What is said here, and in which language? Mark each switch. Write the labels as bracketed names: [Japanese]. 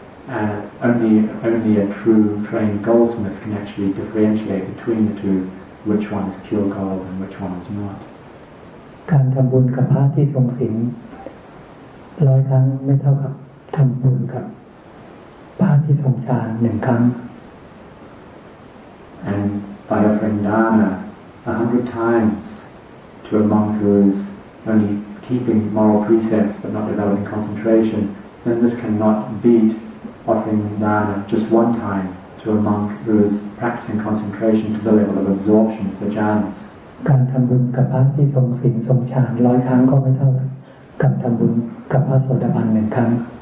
[English] only a true trained goldsmith can actually differentiate between the two, which one is pure gold and which one is not. [Thai] การทำบุญกับพระที่ทรงศีล100ครั้งไม่เท่ากับทำบุญกับพระที่ทรงฌาน1ครั้ง [English] And by offering dana 100 times to a monk who is only keeping moral precepts but not developing concentration, then this cannot beat offering dana just one time to a monk who is practicing concentration to the level of absorption of the jhanas. [Thai] การทำบุญกับพระที่ทรงศีลทรงฌาน100ครั้งก็ไม่เท่ากับทำบุญกับพระโสดาบัน1ครั้ง